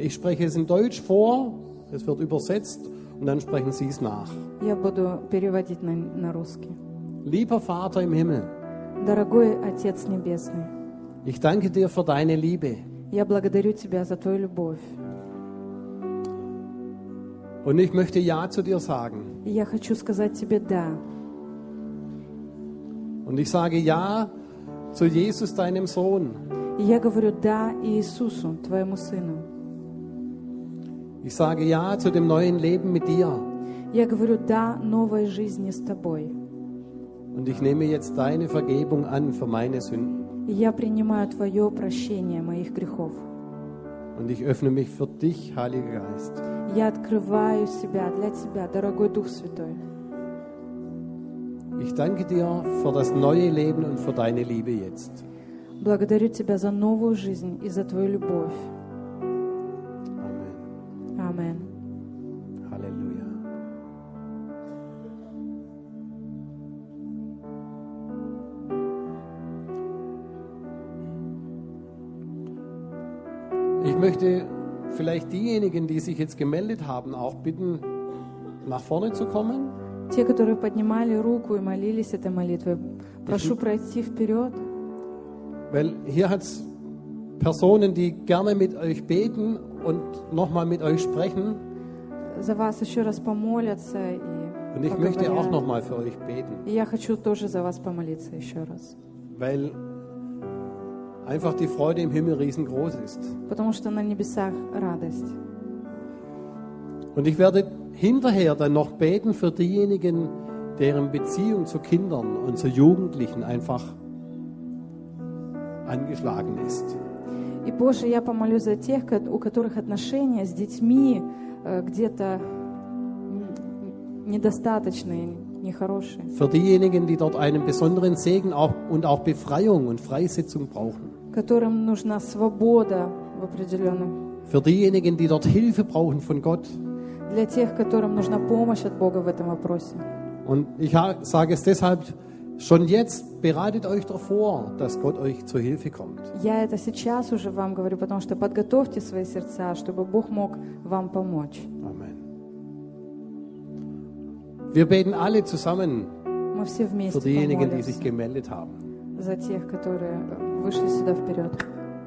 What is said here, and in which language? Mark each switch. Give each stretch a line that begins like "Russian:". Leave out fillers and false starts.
German: Ich spreche es in Deutsch vor, es wird übersetzt und dann sprechen Sie es nach.
Russian: Я буду переводить на русский.
German: Lieber Vater im Himmel,
Russian: дорогой отец небесный,
German: ich danke dir für deine Liebe.
Russian: Я благодарю тебя за твою любовь.
German: Und ich möchte Ja zu dir sagen.
Russian: Я хочу сказать тебе Да.
German: Und ich sage Ja zu Jesus, deinem Sohn.
Russian: Я говорю Да Иисусу, твоему сыну.
German: Ich sage Ja zu dem neuen Leben mit dir.
Russian: Я говорю Да новой жизни с тобой.
German: Und ich nehme jetzt deine Vergebung an für meine Sünden.
Russian: Я принимаю твое прощение моих грехов.
German: Und ich öffne mich für dich, Heiliger Geist.
Russian: Я открываю себя для тебя, дорогой Дух Святой.
German: Ich danke dir für das neue Leben und für deine Liebe jetzt.
Russian: Благодарю тебя за новую жизнь и за твою любовь.
German: Amen.
Russian: Amen.
German: Halleluja. Ich möchte vielleicht diejenigen, die sich jetzt gemeldet haben, auch bitten, nach vorne zu kommen.
Russian: Те, которые поднимали руку и молились этой молитвой, прошу пройти вперед.
German: Weil hier hat's Personen, die gerne mit euch beten und nochmal mit euch sprechen.
Russian: За вас еще раз помолятся и.
German: Und ich möchte auch nochmal für euch beten.
Russian: Я хочу тоже за вас помолиться еще раз.
German: Weil einfach die Freude im Himmel riesengroß ist.
Russian: Потому что на небесах радость.
German: Und ich werde hinterher dann noch beten für diejenigen, deren Beziehung zu Kindern und zu Jugendlichen einfach angeschlagen ist.
Russian: И позже я помолюсь за тех, у которых отношения с детьми где-то недостаточные.
German: Für diejenigen, die dort einen besonderen Segen auch, und auch Befreiung und Freisetzung brauchen.
Russian: Которым нужна свобода в определенном.
German: Für diejenigen, die dort Hilfe brauchen von Gott.
Russian: Для тех, которым нужна помощь от Бога в этом вопросе.
German: Und ich sage es deshalb schon jetzt: Bereitet euch darauf vor, dass Gott euch zur Hilfe kommt.
Russian: Я это сейчас уже вам говорю, потому что подготовьте свои сердца, чтобы Бог мог вам помочь.
German: Amen. Wir beten alle zusammen für diejenigen, die sich gemeldet haben.
Russian: За тех, которые вышли сюда вперед.